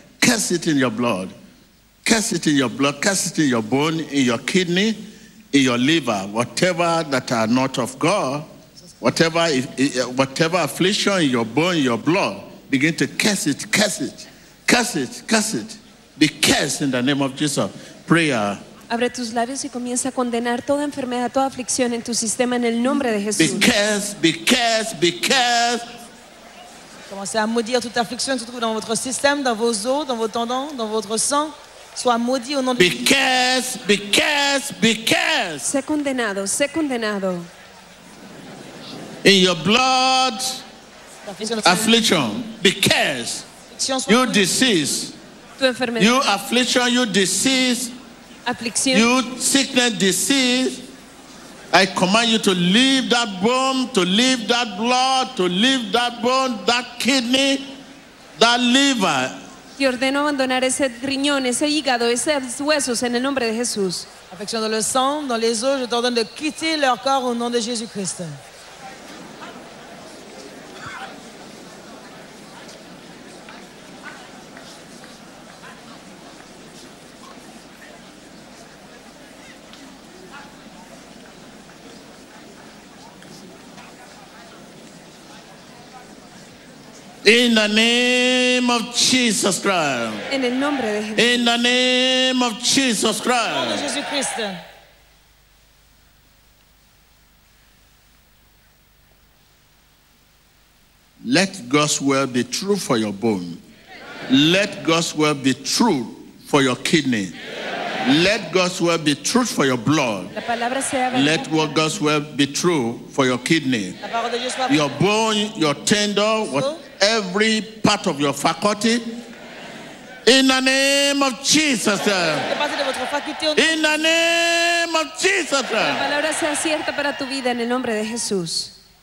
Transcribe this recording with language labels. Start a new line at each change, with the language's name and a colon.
English: Curse it in your bone, in your kidney, in your liver. Whatever that are not of God, whatever affliction in your bone, in your blood, begin to curse it, curse it, curse it, curse it. Be cursed in the name of Jesus. Prayer.
Spanish: Abre tus labios y comienza a condenar toda enfermedad, toda aflicción en tu sistema en el nombre de Jesús.
English: Be cursed.
French: Commencez à maudire toute affliction, surtout dans votre système, dans vos os, dans vos tendons, dans votre sang. Sois maudit au nom de
English: Jésus. Be cursed.
Spanish: Sé condenado.
English: In your blood, affliction. Be cursed. You disease.
Spanish: Tu enfermedad.
English: You affliction, you disease. Affliction. You sickness, disease, I command you to leave that bone, to leave that blood, to leave that bone, that kidney, that liver.
Spanish: Te ordeno abandonar ese riñón, ese hígado, esos huesos en el nombre de Jesús.
French: Affliction dans le sang, dans les os, je t'ordonne de quitter leur corps au nom de Jésus Christ.
English: In the name of Jesus Christ.
Spanish: En el nombre de Jesús.
English: In the name of Jesus Christ.
Spanish: En el nombre de Jesús Cristo.
English: Let God's word be true for your bone. Let God's word be true for your kidney. Let God's word be true for your blood.
Spanish: La palabra sea
English: Let what God's word be true for your kidney.
Spanish: La palabra de Dios va
English: your bone, your tendon, what? Every part of your faculty, in the name of Jesus. In the name of Jesus.
Spanish: La palabra sea cierta para tu vida en el nombre de Jesús.